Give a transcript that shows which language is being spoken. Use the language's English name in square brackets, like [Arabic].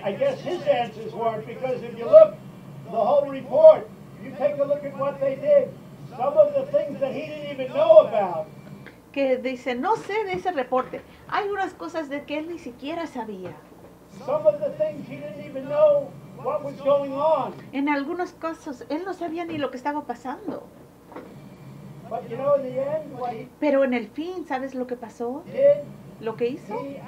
[English] I guess his answers weren't, because if you look, the whole report, you take a look at what they did, some of the things that he didn't even know about. [Spanish] Que dice, no sé de ese reporte. Hay unas cosas de que él ni siquiera sabía. [English] Some of the things he didn't even know what was going on. [Spanish] En algunos casos, él no sabía ni lo que estaba pasando. [English] But you know, in the end, [Spanish] pero en el fin, ¿sabes lo que pasó? Lo que hizo.